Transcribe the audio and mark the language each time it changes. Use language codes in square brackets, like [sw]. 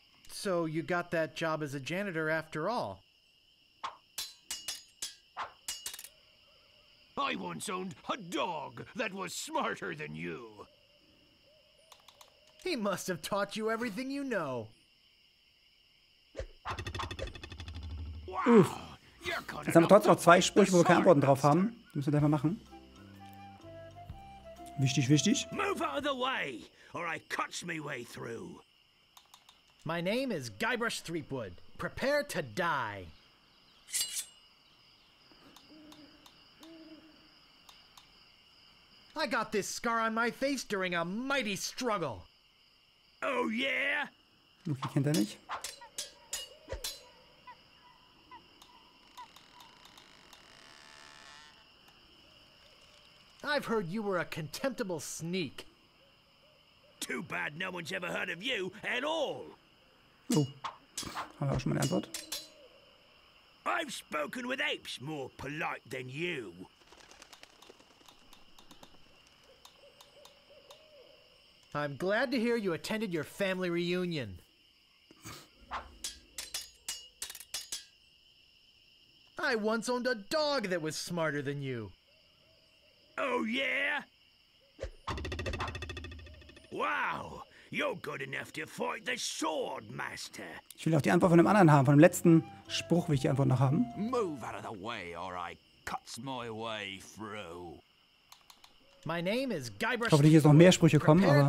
[en] So you got that job as a janitor after all. I once owned a dog that was smarter than you. He must have taught you everything you know. Wow. [de] Jetzt haben wir trotzdem noch zwei Sprüche, wo wir keine Antworten drauf haben. Die müssen wir einfach machen. Wichtig, wichtig. [en] Move out of the way, or I cut my way through. My name is Guybrush Threepwood. Prepare to die. I got this scar on my face during a mighty struggle. Oh yeah? [de] Luffy kennt er nicht. [en] I've heard you were a contemptible sneak. Too bad no one's ever heard of you at all. [de] Oh, haben wir auch schon mal eine Antwort? [en] I've spoken with apes more polite than you. I'm glad to hear you attended your family reunion. I once owned a dog that was smarter than you. Oh, yeah? Wow, you're good enough to fight the sword, master. [de] Ich will auch die Antwort von dem anderen haben, von dem letzten Spruch will ich die Antwort noch haben. [en] Move out of the way, or I cuts my way through. My name is Guybrush. [de] Ich hoffe, hier sind noch mehr Sprüche kommen, aber.